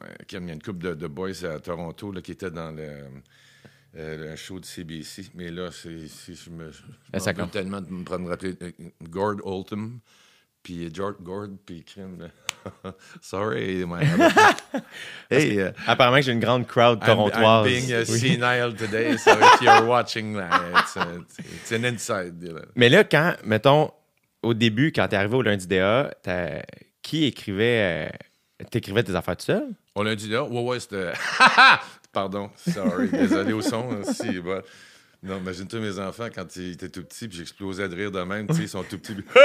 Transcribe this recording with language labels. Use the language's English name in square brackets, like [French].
[French] Il y a une couple de boys à Toronto là, qui étaient dans le show de CBC. Mais là, je m'en veux tellement de me prendre rappeler Gord Oldham, puis George Gord, puis Krim. [English] Sorry, my [French] hey, apparemment que j'ai une grande crowd torontoise. [English] I'm being senile today, so if you're watching, it's an inside. You know. [French] Mais là, quand, mettons, au début, quand t'es arrivé au lundi DA, qui écrivait... T'écrivais tes affaires tout seul? On l'a dit là. Ouais, c'était. Pardon, sorry. Désolé au son. Si, bon. Non, imagine-toi mes enfants quand ils étaient tout petits, puis j'explosais de rire de même. Ils sont tout petits.